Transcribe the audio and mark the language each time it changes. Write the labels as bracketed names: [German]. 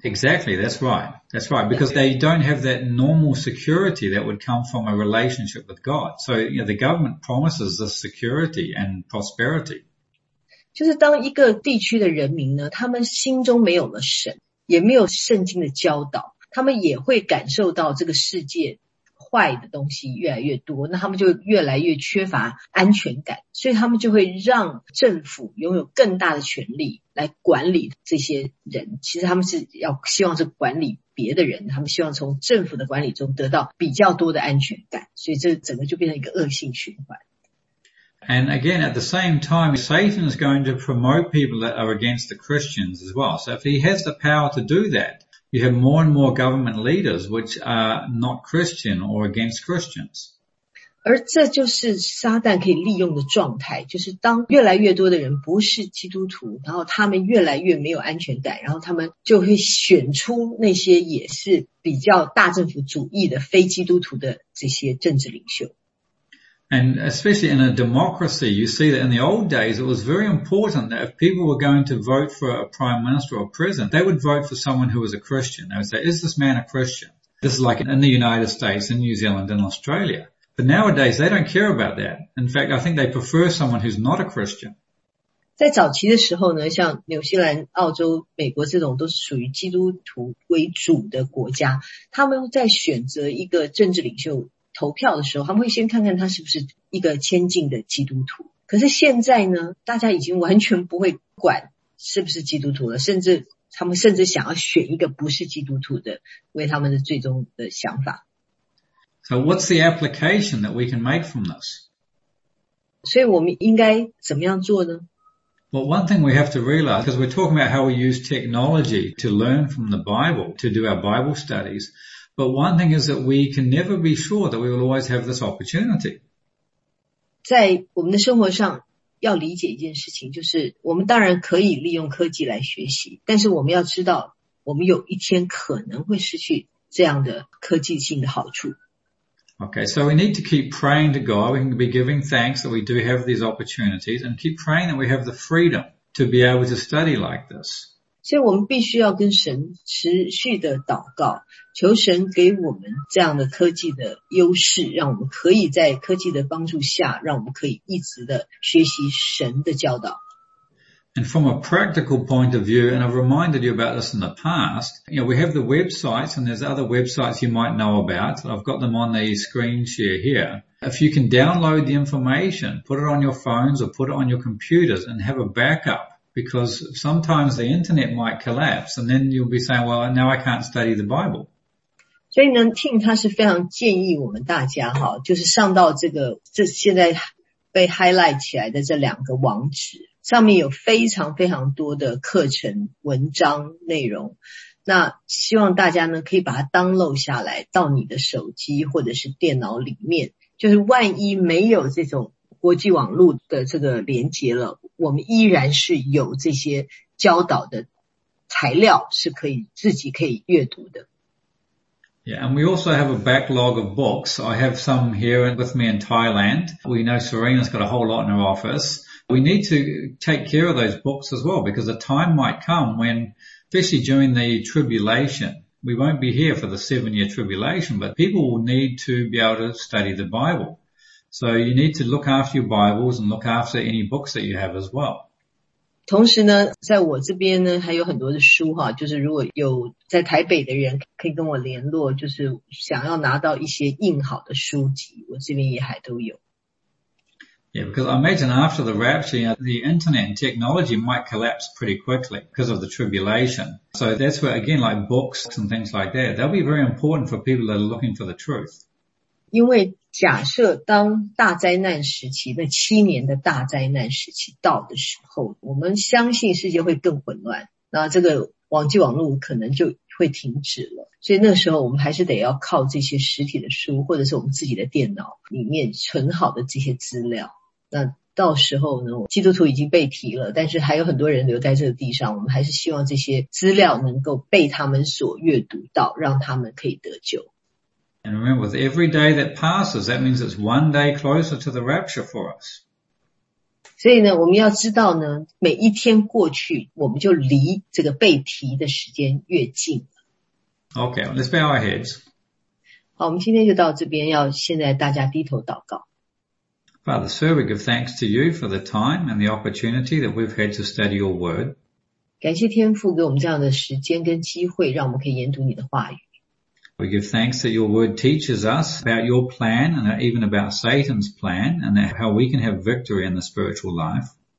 [English] Exactly, that's right. That's right, because they don't have that normal security that would come from a relationship with God. So, you know, the government promises this security and prosperity. [Chinese] 就是当一个地区的人民呢，他们心中没有了神，也没有圣经的教导，他们也会感受到这个世界坏的东西越来越多，那他们就越来越缺乏安全感，所以他们就会让政府拥有更大的权力来管理这些人。其实他们是要希望是管理别的人，他们希望从政府的管理中得到比较多的安全感，所以这整个就变成一个恶性循环。 [English] And again, at the same time, Satan is going to promote people that are against the Christians as well. So if he has the power to do that, you have more and more government leaders which are not Christian or against Christians. [Chinese] 而这就是撒旦可以利用的状态，就是当越来越多的人不是基督徒，然后他们越来越没有安全感，然后他们就会选出那些也是比较大政府主义的非基督徒的这些政治领袖。 [English] And especially in a democracy, you see that in the old days, it was very important that if people were going to vote for a prime minister or president, they would vote for someone who was a Christian. They would say, is this man a Christian? This is like in the United States, in New Zealand, in Australia. But nowadays, they don't care about that. In fact, I think they prefer someone who's not a Christian. [Chinese] 在早期的时候呢，像纽西兰、澳洲、美国这种都是属于基督徒为主的国家，他们在选择一个政治领袖投票的时候，他们会先看看他是不是一个虔敬的基督徒。可是现在呢，大家已经完全不会管是不是基督徒了，甚至他们甚至想要选一个不是基督徒的为他们的最终的想法。 [English] So what's the application that we can make from this? [Chinese] 所以我们应该怎么样做呢？ [English] Well, one thing we have to realize, because we're talking about how we use technology to learn from the Bible, to do our Bible studies, but one thing is that we can never be sure that we will always have this opportunity. [Chinese] 在我们的生活上要理解一件事情，就是我们当然可以利用科技来学习，但是我们要知道我们有一天可能会失去这样的科技性的好处。 [English] Okay, so we need to keep praying to God. We can be giving thanks that we do have these opportunities and keep praying that we have the freedom to be able to study like this. [Chinese] 所以我们必须要跟神持续的祷告，求神给我们这样的科技的优势，让我们可以在科技的帮助下，让我们可以一直的学习神的教导。 [English] And from a practical point of view, and I've reminded you about this in the past, you know, we have the websites and there's other websites you might know about. I've got them on the screen share here. If you can download the information, put it on your phones or put it on your computers and have a backup, because sometimes the internet might collapse and then you'll be saying, well, now I can't study the Bible. [Chinese] 所以呢 Tim 他是非常建议我们大家哈，就是上到这个这现在被 highlight 起来的这两个网址。上面有非常非常多的课程文章内容，那希望大家呢可以把它 download 下来到你的手机或者是电脑里面，就是万一没有这种国际网络的这个连结了，我们依然是有这些教导的材料是可以自己可以阅读的。 [English] Yeah, and we also have a backlog of books. I have some here with me in Thailand. We know Serena's got a whole lot in her office. We need to take care of those books as well because a time might come when, especially during the tribulation, we won't be here for the 7-year tribulation, but people will need to be able to study the Bible. So you need to look after your Bibles and look after any books that you have as well. [Chinese] 同时呢在我这边呢还有很多的书哈，就是如果有在台北的人可以跟我联络，就是想要拿到一些印好的书籍，我这边也还都有。 [English] Yeah, because I imagine after the rapture, you know, the internet and technology might collapse pretty quickly because of the tribulation. So that's where, again, like books and things like that, they'll be very important for people that are looking for the truth. [Chinese] 因为假设当大灾难时期，那七年的大灾难时期到的时候，我们相信世界会更混乱，那这个网际网络可能就会停止了。所以那时候我们还是得要靠这些实体的书或者是我们自己的电脑里面存好的这些资料。那到时候呢基督徒已经被提了，但是还有很多人留在这个地上，我们还是希望这些资料能够被他们所阅读到，让他们可以得救。 [English] And remember, with every day that passes, that means it's one day closer to the rapture for us. [Chinese] 所以呢我们要知道呢每一天过去我们就离这个被提的时间越近。 [English] Okay, let's bow our heads. [Chinese] 好，我们今天就到这边，要现在大家低头祷告。 [English] Father, sir, we give thanks to you for the time and the opportunity that we've had to study your word. [Chinese] 感谢天父给我们这样的时间跟机会，让我们可以研读你的话语。 [English] We give thanks that your word teaches us about your plan and even about Satan's plan and how we can have victory in the spiritual life.